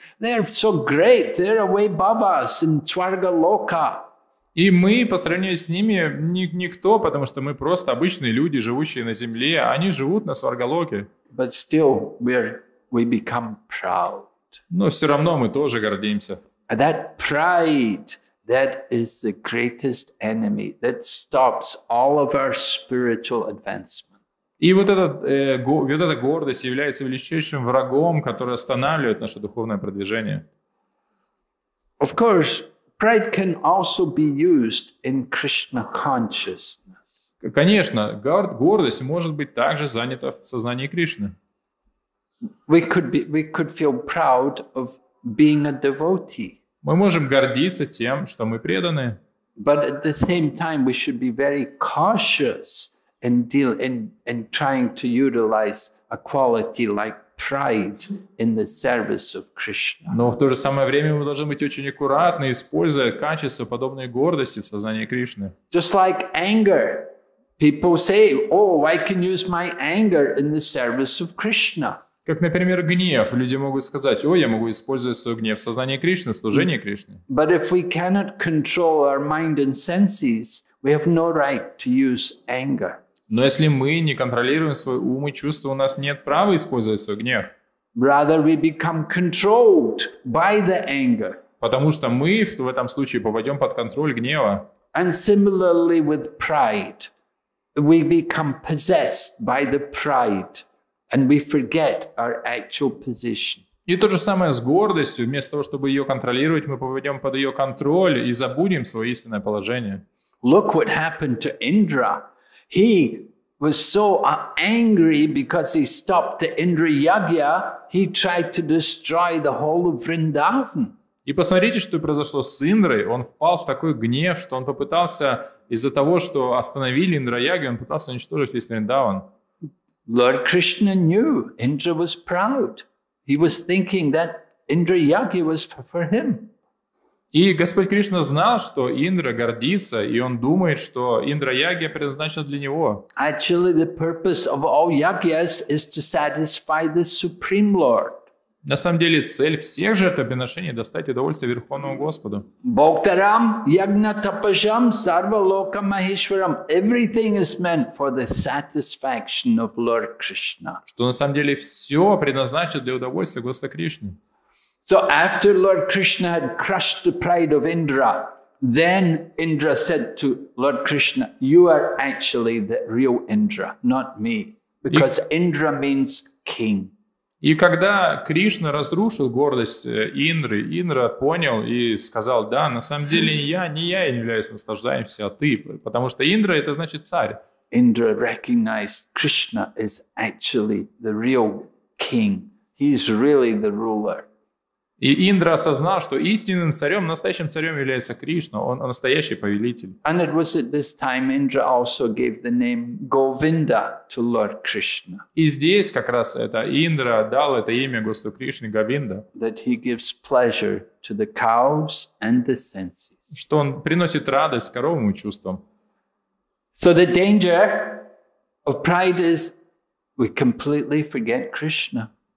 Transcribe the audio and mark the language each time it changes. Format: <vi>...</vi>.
<en>They're so great. They're way above us in Swarga Loka.</en> <ru>И мы, по сравнению с ними, никто, потому что мы просто обычные люди, живущие на земле, они живут на Сваргалоке.</ru> <en>But still we become proud.</en> <ru>Но все равно мы тоже гордимся.</ru> <en>That pride, that is the greatest enemy that stops all of our spiritual advancement.</en> <ru>И вот эта гордость является величайшим врагом, который останавливает наше духовное продвижение.</ru> <en>Of course, pride can also be used in Krishna consciousness.</en> <ru>Конечно, гордость может быть также занята в сознании Кришны.</ru> <en>We could feel proud of being a devotee.</en> <ru>Мы можем гордиться тем, что мы преданы.</ru> <en>But at the same time, we should be very cautious in trying to utilize a quality like pride in the service of Krishna.</en> <ru>Но в то же самое время мы должны быть очень аккуратны, используя качества подобной гордости в сознании Кришны.</ru> <en>Just like anger, people say, "Oh, I can use my anger in the service of Krishna."</en> <ru>Как, например, гнев. Люди могут сказать: «О, я могу использовать свой гнев в сознании Кришны, в служении Кришне».</ru> <en>But if we cannot control our mind and senses, we have no right to use anger.</en> <ru>Но если мы не контролируем свой ум и чувства, у нас нет права использовать свой гнев.</ru> <en>Rather, we become controlled by the anger.</en> <ru>Потому что мы в этом случае попадем под контроль гнева.</ru> <en>And similarly with pride, we become possessed by the pride, and we forget our actual position.</en> <ru>И то же самое с гордостью. Вместо того, чтобы ее контролировать, мы попадем под ее контроль и забудем свое истинное положение.</ru> <en>Look what happened to Indra. He was so angry because he stopped the Indra Yagya. He tried to destroy the whole of Vrindavan.</en> <ru>И посмотрите, что произошло с Индрой. Он впал в такой гнев, что он попытался из-за того, что остановили Индра-Яги, он пытался уничтожить весь Вриндаван.</ru> <en>Lord Krishna knew Indra was proud. He was thinking that Indra-Яги was for him.</en> <ru>И Господь Кришна знал, что Индра гордится, и он думает, что Индра-Яги предназначена для него.</ru> <en>Actually, the purpose of all yagyas is to satisfy the Supreme Lord.</en> <ru>На самом деле цель всех жертвоприношений – достать удовольствие Верховному Господу.</ru> <sa>Бхактарам, ягна тапашам, сарва лока махишварам.</sa> <en>Everything is meant for the satisfaction of Lord Krishna.</en> <ru>Что на самом деле все предназначено для удовольствия Господа Кришны.</ru> <en>So after Lord Krishna had crushed the pride of Indra, then Indra said to Lord Krishna, you are actually the real Indra, not me. Because Indra means king.</en> <ru>И когда Кришна разрушил гордость Индры, Индра понял и сказал: «Да, на самом деле не я являюсь наслаждающимся, а ты, потому что Индра — это значит царь».</ru> <en>Indra recognized Krishna is actually the real king. He's really the ruler.</en> <ru>И Индра осознал, что истинным царем, настоящим царем является Кришна, он настоящий повелитель.</ru> <en>And it was at this time Indra also gave the name Govinda to Lord Krishna.</en> <ru>И здесь как раз это Индра дал это имя Господу Кришне Говинда.</ru> <en>That he gives pleasure to the cows and the senses.</en> <ru>Что он приносит радость коровам и чувствам.</ru> <en>So the danger of pride is we completely forget Krishna.</en>